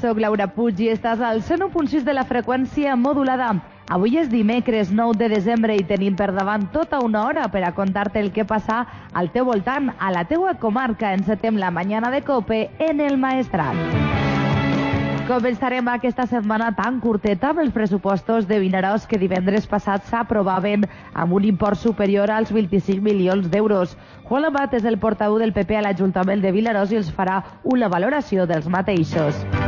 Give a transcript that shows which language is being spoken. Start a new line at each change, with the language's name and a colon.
Catalan: Soc Laura Puig i estàs al 101.6 de la freqüència modulada. Avui és dimecres 9 de desembre i tenim per davant tota una hora per a contar-te el que passa al teu voltant, a la teua comarca. Encetem
Spanish: la mañana de COPE en el Maestrat.
Catalan: Començarem aquesta setmana tan curteta amb els pressupostos de Vinaròs que divendres passat s'aprovaven amb un import superior als 25 milions d'euros. Juan Amat és el portaveu del PP a l'Ajuntament de Vinaròs i els farà una valoració dels mateixos.